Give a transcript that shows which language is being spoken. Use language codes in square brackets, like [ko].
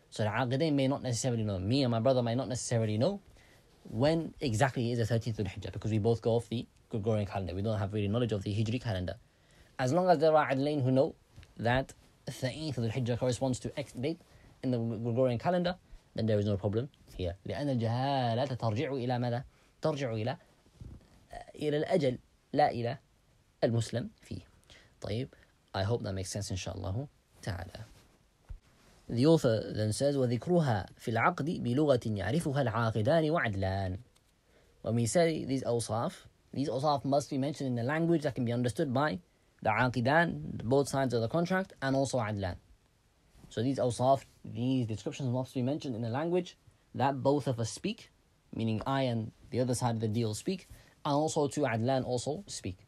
[en] So the aqidin may not necessarily know. Me and my brother may not necessarily know when exactly is the 13th of the Hijjah, because we both go off the Gregorian calendar. We don't have really knowledge of the Hijri calendar. As long as there are adlain who know that the 13th of the Hijjah corresponds to X date in the Gregorian calendar, then there is no problem here. [ar] لأن الجهالة ترجع إلى ماذا؟ ترجع إلى الأجل لا إلى المسلم فيه. [en] طيب, I hope that makes sense, inshallah ta'ala. The author then says, [ar] وَذِكْرُهَا فِي الْعَقْدِ بِلُغَةٍ يَعْرِفُهَا الْعَاقِدَانِ وَعَدْلَانِ. [en] When we say these awsaf must be mentioned in a language that can be understood by the عَاقِدَان, both sides of the contract, and also عَدْلَان. So these awsaf, these descriptions must be mentioned in a language that both of us speak, meaning I and the other side of the deal speak, and also to عَدْلَان also speak.